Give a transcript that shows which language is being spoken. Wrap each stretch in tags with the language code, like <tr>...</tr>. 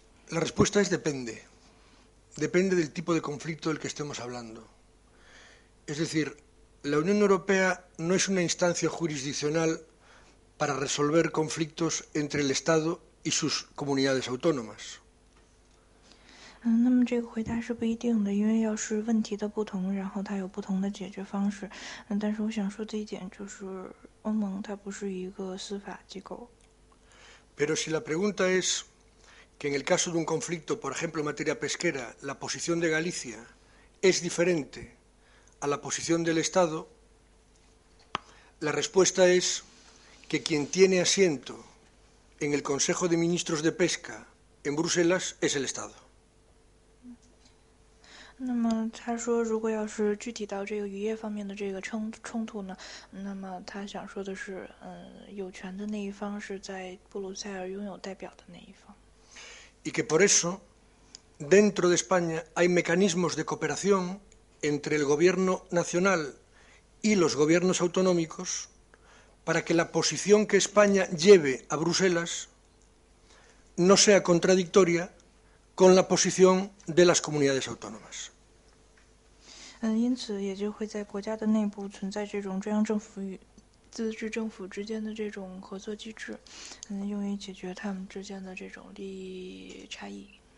<es>La respuesta es depende. Depende del tipo de conflicto del que estemos hablando. Es decir,La Unión Europea no es una instancia jurisdiccional para resolver conflictos entre el Estado y sus comunidades autónomas.</es> <zh>那么这个回答是不一定的，因为要是问题的不同，然后它有不同的解决方式。但是我想说的一点就是，欧盟它不是一个司法机构。</zh> <es>Pero si la pregunta es que en el caso de un conflicto, por ejemplo, en materia pesquera, la posición de Galicia es diferente. A la posición del Estado, la respuesta es que quien tiene asiento en el Consejo de Ministros de Pesca en Bruselas es el Estado.</es> <zh>那么他说，如果要是具体到这个渔业方面的这个冲突呢，那么他想说的是，有权的那一方是在布鲁塞尔拥有代表的那一方。</zh> <es>Y que por eso, dentro de España hay mecanismos de cooperación. Entre el gobierno nacional y los gobiernos autonómicos, para que la posición que España lleve a Bruselas no sea contradictoria con la posición de las comunidades autónomas.</es> <zh>因此也就会在国家的内部存在这种中央政府与自治政府之间的这种合作机制，用于解决他们之间的这种利益差异。</zh>